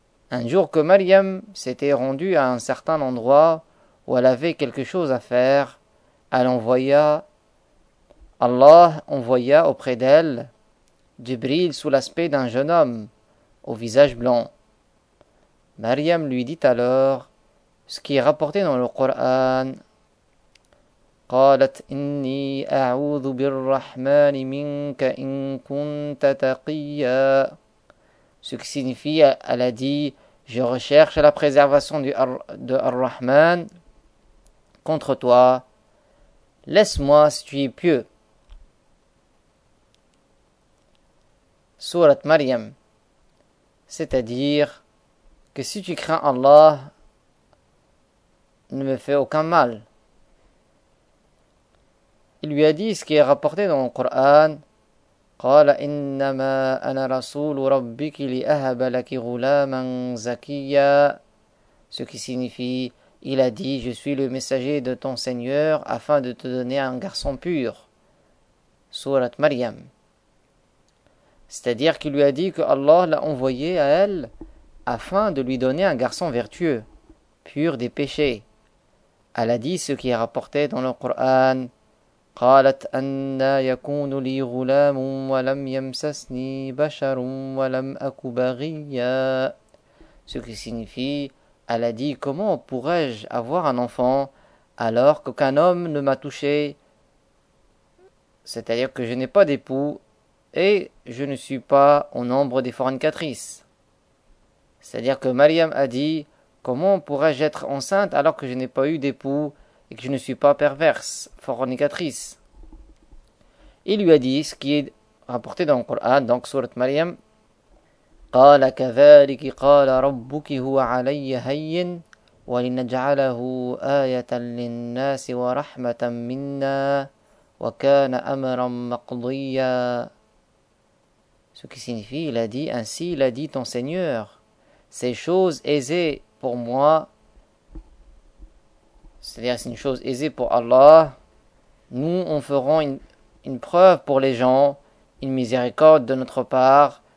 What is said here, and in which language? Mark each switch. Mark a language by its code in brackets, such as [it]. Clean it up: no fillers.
[fr] Un jour que Maryam s'était rendue à un certain endroit où elle avait quelque chose à faire, Allah envoya auprès d'elle Jibril sous l'aspect d'un jeune homme au visage blanc. Maryam lui dit alors: ce qui est rapporté dans le Coran. [ar] قالت إني أعوذ بالرحمن منك إن كنت تقيا. [fr] Ce qui signifie, elle a dit, je recherche la préservation de Ar-Rahman contre toi. Laisse-moi si tu es pieux. Sourate Maryam. C'est-à-dire que si tu crains Allah, ne me fais aucun mal. Il lui a dit ce qui est rapporté dans le Coran. [ar] قال إنما أنا رسول ربك لأهب لك غلاما زكيا. [fr] Ce qui signifie, il a dit, je suis le messager de ton Seigneur afin de te donner un garçon pur. Sourate Maryam. C'est-à-dire qu'il lui a dit que Allah l'a envoyé à elle afin de lui donner un garçon vertueux, pur des péchés. Elle a dit ce qui est rapporté dans le Coran. [ar] قالت أنى يكون لي غلام ولم يمسسني بشر ولم أك بغيا. [fr] Ce qui signifie, elle a dit, comment pourrais-je avoir un enfant alors qu'aucun homme ne m'a touché? C'est-à-dire que je n'ai pas d'époux et je ne suis pas au nombre des fornicatrices. C'est-à-dire que Maryam a dit, comment pourrais-je être enceinte alors que je n'ai pas eu d'époux et que je ne suis pas perverse, fornicatrice. Il lui a dit ce qui est rapporté dans le Coran, donc sourate Maryam. [ar] قال كذلك قال ربك هو علي هين ولنجعله آية للناس ورحمة منا وكان أمرا مقضيا. [fr] Ce qui signifie, il a dit, ainsi l'a dit ton Seigneur, ces choses aisées pour moi. C'est-à-dire, c'est une chose aisée pour Allah. Nous, on ferons une preuve pour les gens, une miséricorde de notre part.